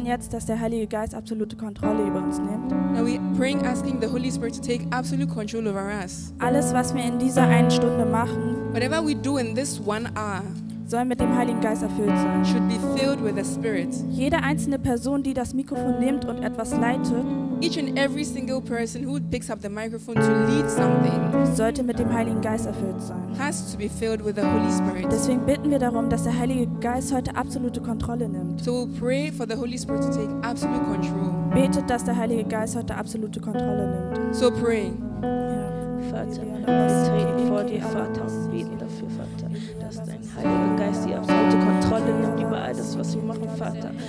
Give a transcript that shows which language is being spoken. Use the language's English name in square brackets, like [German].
[German] Dass der Heilige Geist absolute Kontrolle über uns nimmt. [English] Now we praying asking the Holy Spirit to take absolute control over us. [German] Alles was wir in dieser einen Stunde machen, [English] whatever we do in this one hour, [German] soll mit dem Heiligen Geist erfüllt sein. [English] Should be filled with the Spirit. [German] Jede einzelne Person, die das Mikrofon nimmt und etwas leitet, [English] each and every single person who picks up the microphone to lead something, [German] sollte mit dem Heiligen Geist erfüllt sein. [English] Has to be filled with the Holy Spirit. [German] Deswegen bitten wir darum, dass der Heilige Geist heute absolute Kontrolle nimmt. [English] So we'll pray for the Holy Spirit to take absolute control. [German] Betet, dass der Heilige Geist heute absolute Kontrolle nimmt. [English] So pray. [German] Vater, wir treten vor dir, Vater, und beten dafür, Vater, dass dein Heiliger Geist die absolute Kontrolle nimmt über all das, was wir machen, Vater.